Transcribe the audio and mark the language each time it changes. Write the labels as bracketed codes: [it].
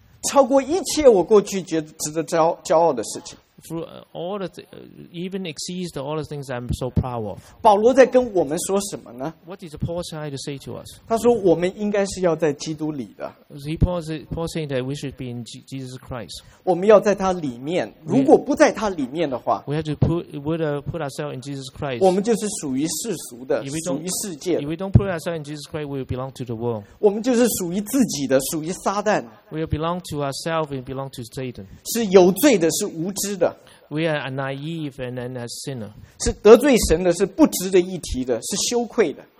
[zh] 超过一切我过去觉得值得骄傲的事情。 [en] Through all the even exceeds all the things I'm so proud of. [zh] 保罗在跟我们说什么呢 [en] ？What is Paul trying to say to us? [zh] 他说我们应该是要在基督里的。 [en] He Paul saying that we should be in Jesus Christ. [zh] 我们要在他里面。如果不在他里面的话 [en] ，We have to put ourselves in Jesus Christ. [zh] 我们就是属于世俗的，属于世界。 [en] If we don't put ourselves in Jesus Christ, we will belong to the world. [zh] 我们就是属于自己的，属于撒旦。 [en] We belong to ourselves and belong to Satan. [zh] 是有罪的，是无知的。 [en] We are naive and a sinner. [zh] 是得罪神的，是不值得一提的，是羞愧的。